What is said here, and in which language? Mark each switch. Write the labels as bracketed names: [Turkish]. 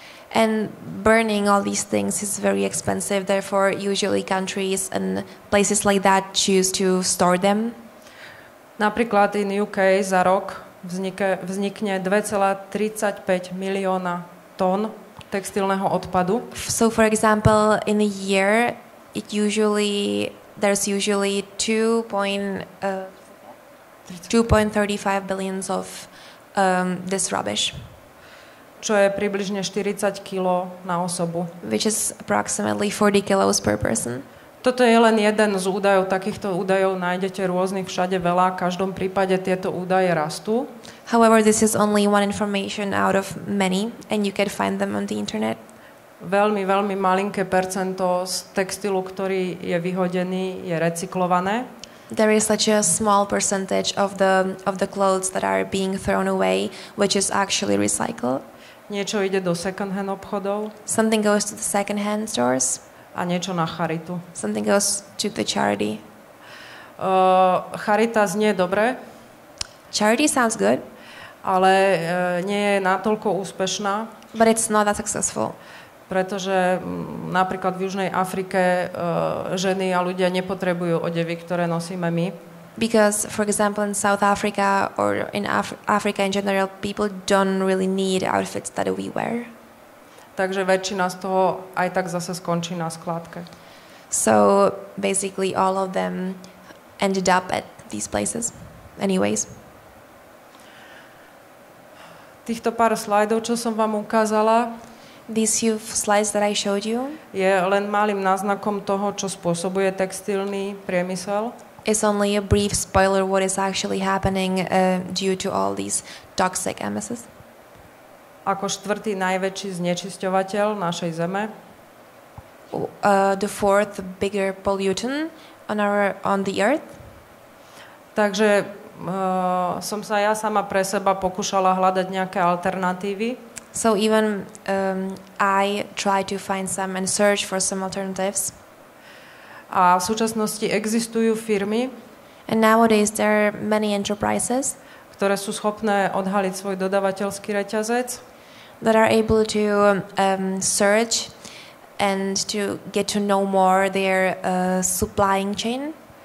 [English] And burning all these things is very expensive, therefore usually countries and places like that choose to store them. [Slovak] Napríklad in UK za rok vznikne 2,35 milióna tón textilného odpadu. [English] So for example, in a year there's usually 2.35 billion of this rubbish. [Slovak] Čo je približne 40 kilo na osobu. [English] Which is approximately 40 kilos per person. [Slovak] Toto je len jeden z údajov. Takýchto údajov nájdete rôznych všade veľa. V každom prípade tieto údaje rastú. [English] However, this is only one information out of many and you can find them on the internet. [Slovak] Veľmi, veľmi malinké percento z textilu, ktorý je vyhodený, je recyklované. [English] There is such a small percentage of the clothes that are being thrown away, which is actually recycled. [Slovak] Niečo ide do second-hand obchodov. [English] Something goes to the second-hand stores. [Slovak] A niečo na charitu. [English] Something goes to the charity. [Slovak] Charita znie dobre. [English] Charity sounds good. [Slovak] Ale nie je natoľko úspešná. [English] But it's not that successful. [Slovak] Pretože napríklad v Južnej Afrike ženy a ľudia nepotrebujú odevy, ktoré nosíme my. [English] Because, for example, in South Africa or in Africa in general, people don't really need outfits that we wear. [Slovak] Takže väčšina z toho aj tak zase skončí na skládke. [English] So basically all of them ended up at these places anyways. [Slovak] Týchto pár slajdov, čo som vám ukázala, [English] these few slides that I showed you, [Slovak] je len malým náznakom toho, čo spôsobuje textilný priemysel. [English] It's only a brief spoiler what is actually happening due to all these toxic emissions. [Slovak] Ako štvrtý najväčší znečisťovateľ našej zeme. [English] The fourth bigger pollutant on the earth. [Slovak] Takže som sa ja sama pre seba pokúšala hľadať nejaké alternatívy. [English] So even I try to find some and search for some alternatives. [Slovak] A v súčasnosti existujú firmy. [English] And nowadays there are many enterprises, [Slovak] ktoré sú schopné odhaliť svoj dodávateľský reťazec. [English] That are able to search and to get to know more their supplying chain.